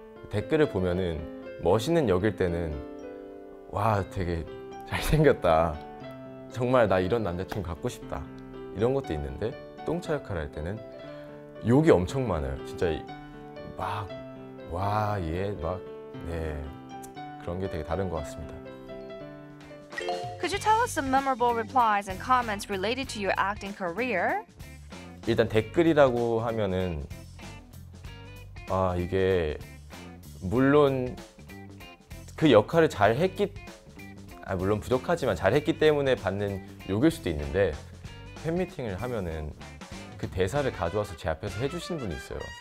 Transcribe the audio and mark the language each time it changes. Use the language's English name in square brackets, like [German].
[Korean] 댓글을 보면은 멋있는 역일 때는 와 되게 잘생겼다 정말 나 이런 남자친구 갖고 싶다 이런 것도 있는데 똥차 역할을 할 때는 욕이 엄청 많아요. 진짜 막 와 얘 막 네 그런 게 되게 다른 것 같습니다. [English] Could you tell us some memorable replies and comments related to your acting career? [Korean] 일단 댓글이라고 하면은 아 이게 물론 그 역할을 잘 했기 아 물론 부족하지만 잘 했기 때문에 받는 욕일 수도 있는데 팬미팅을 하면은 그 대사를 가져와서 제 앞에서 해주신 분이 있어요.